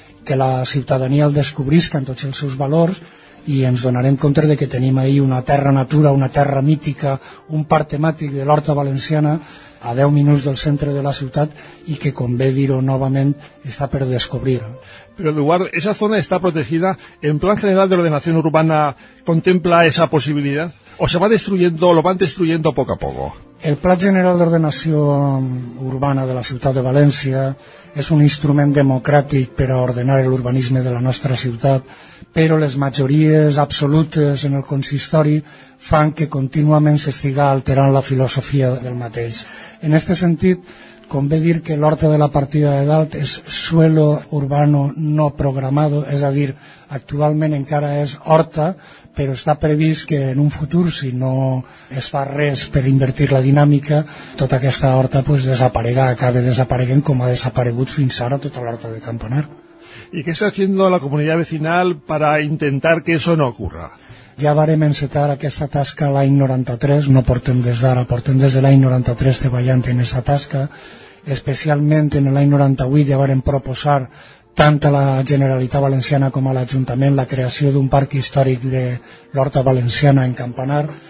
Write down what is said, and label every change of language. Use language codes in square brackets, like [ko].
[ca] que la ciutadania el descobrisca en tots els seus valors, i ens donarem compte de que tenim ahir una terra natura, una terra mítica, un parc temàtic de l'horta valenciana a 10 minuts del centre de la ciutat i que, com bé dir-ho novament, està per descobrir. Però, Eduard, esa zona està protegida. [es] En plan general de ordenació urbana contempla esa possibilitat? O se va destruyendo, lo van destruyendo poco a poco? [ca] El Pla General d'Ordenació Urbana de la Ciutat de València és un instrument democràtic per a ordenar l'urbanisme de la nostra ciutat, però les majories absolutes en el consistori fan que contínuament s'estiga alterant la filosofia del mateix. En aquest sentit, convé dir que l'horta de la partida de dalt és [es] suelo urbano no programado, [ca] és a dir, actualment encara és horta, però està previst que en un futur, si no es fa res per invertir la dinàmica, tota aquesta horta pues, desaparegui, acabi desapareguent com ha desaparegut fins ara tota l'horta de Campanar. [es] ¿Y qué está haciendo la comunidad vecinal para intentar que eso no ocurra? [ca] Ja vàrem encetar aquesta tasca l'any 93, no portem des d'ara, portem des de l'any 93 treballant en aquesta tasca, especialment en l'any 98 ja vàrem proposar tant a la Generalitat Valenciana com a l'Ajuntament la creació d'un parc històric de l'Horta Valenciana en Campanar.